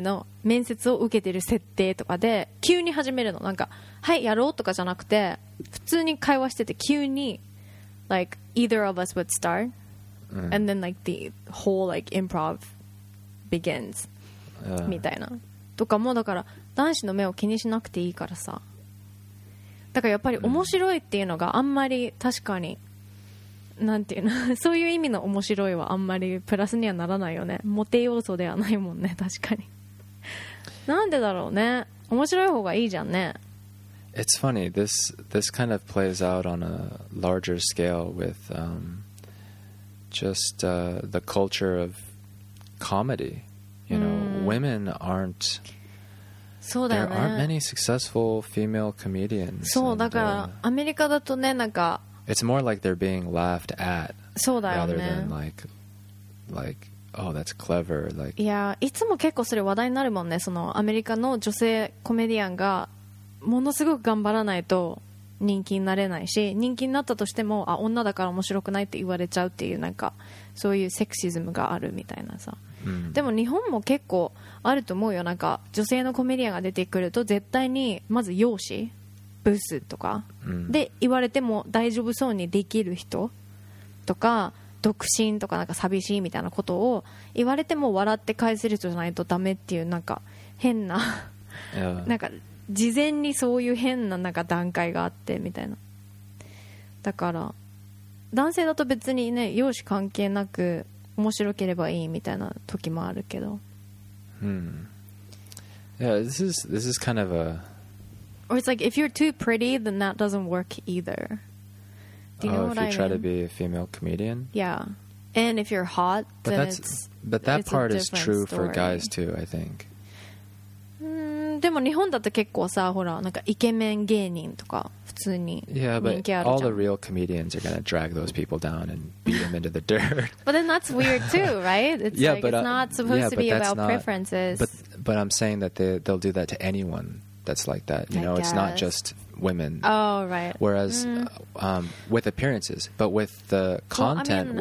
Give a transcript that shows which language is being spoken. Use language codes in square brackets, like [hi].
[ja] の面接を受けてる設定とかで急に始めるの、なんかはいやろうとかじゃなくて普通に会話してて急に [en] like either of us would start、 [ja] うん、 [en] and then like the whole like improv begins、 [ja] みたいなとかも、だから男子の目を気にしなくていいからさ、だからやっぱり面白いっていうのがあんまり確かに、なんていうの、そういう意味の面白いはあんまりプラスにはならないよね、モテ要素ではないもんね、確かに。なんでだろうね、面白い方がいいじゃんね。 [en] It's funny, this kind of plays out on a larger scale with、just、the culture of comedy, you know, women aren't、 [ja] そうだよね、 [en] there aren't many successful female comedians. [ja] そうだから、アメリカだとね、なんか [en] It's more like they're being laughed at、 [ja] ね、 [en] rather than like oh that's clever like [ja] いやいつも結構それ話題になるもんね、そのアメリカの女性コメディアンがものすごく頑張らないと人気になれないし、人気になったとしてもあ女だから面白くないって言われちゃうっていう、なんかそういうセクシズムがあるみたいなさ、うん、でも日本も結構あると思うよ、なんか女性のコメディアンが出てくると絶対にまず容姿ブスとか、うん、で言われても大丈夫そうにできる人とか独身とかなんか寂しいみたいなことを言われても笑って返せる人じゃないとダメっていう、なんか変な、なんか事前にそういう変ななんか段階があってみたいな、だから男性だと別にね容姿関係なく面白ければいいみたいな時もあるけど、 [en] うん、yeah, this is kind of a Or it's like if you're too pretty, then that doesn't work either. Do you know what I mean? Oh, if you try to be a female comedian? Yeah. And if you're hot, then it's a different story. But that part is true for guys too, I think. [ja] でも日本だと結構さ、ほら、なんかイケメン芸人とか普通に人気あるじゃん。 [en] Yeah, but all the real comedians are going to drag those people down and beat them into the dirt. But then that's weird too, right? It's yeah, like but, it's not supposed yeah, to be about preferences. But I'm saying that they'll do that to anyone. That's like that, you know. It's not just women. Oh, right. Whereas, with appearances, but with the content,